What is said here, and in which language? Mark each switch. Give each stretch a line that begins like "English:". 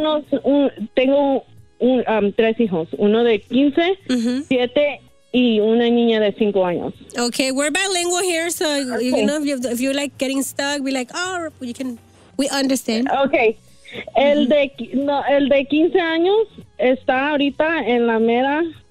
Spanish: Yo tengo tres hijos, uno de 15, 7 y una niña de 5 años.
English: Okay, we're bilingual here, so okay. You know, if you're like getting stuck, be like, oh, you can... We understand. Okay.
Spanish: El de 15 años está ahorita en la mera